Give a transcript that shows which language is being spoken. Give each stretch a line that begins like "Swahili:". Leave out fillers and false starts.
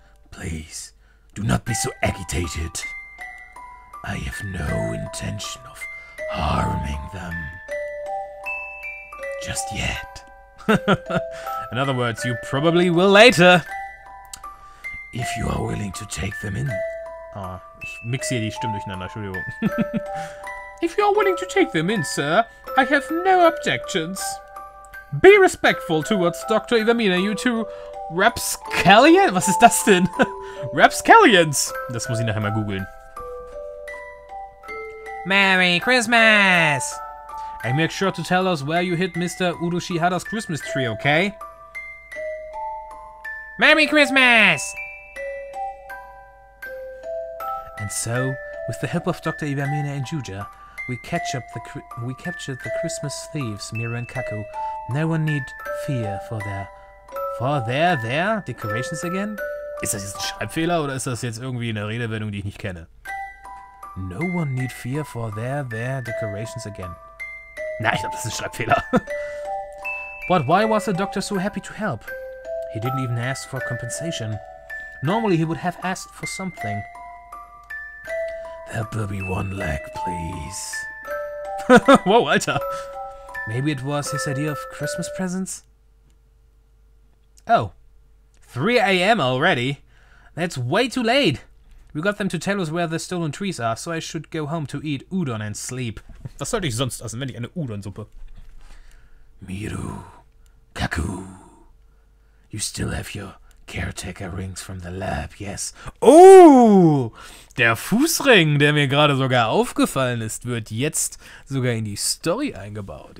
English: Please, do not be so agitated. I have no intention of harming them. Just yet. In other words, you probably will later. If you are willing to take them in...
German: Ah, ich mixe hier die Stimmen durcheinander, Entschuldigung.
English: If you are willing to take them in, sir, I have no objections. Be respectful towards Dr. Iwamine, you two rapscallions?
German: Was ist das denn?
English: Rapscallions!
German: Das muss ich nachher mal googeln.
English: Merry Christmas! And make sure to tell us where you hit Mr. Udoshihara's Christmas tree, okay? Merry Christmas! And so, with the help of Dr. Iwamine and Juja, we captured the Christmas thieves, Miro and Kaku. No one need fear for their... decorations again?
German: Ist das jetzt ein Schreibfehler oder ist das jetzt irgendwie eine Redewendung, die ich nicht kenne?
English: No one need fear for their decorations again.
German: Na, ich glaube, das ist ein Schreibfehler.
English: But why was the doctor so happy to help? He didn't even ask for compensation. Normally he would have asked for something. There will be one leg, please.
German: Whoa, Alter.
English: Maybe it was his idea of Christmas presents? Oh. 3 a.m. already? That's way too late. We got them to tell us where the stolen trees are, so I should go home to eat Udon and sleep.
German: Was sollte ich sonst essen, wenn ich eine Udon-Suppe?
English: Miru, Kaku, you still have your caretaker rings from the lab, yes?
German: Oh, der Fußring, der mir gerade sogar aufgefallen ist, wird jetzt sogar in die Story eingebaut.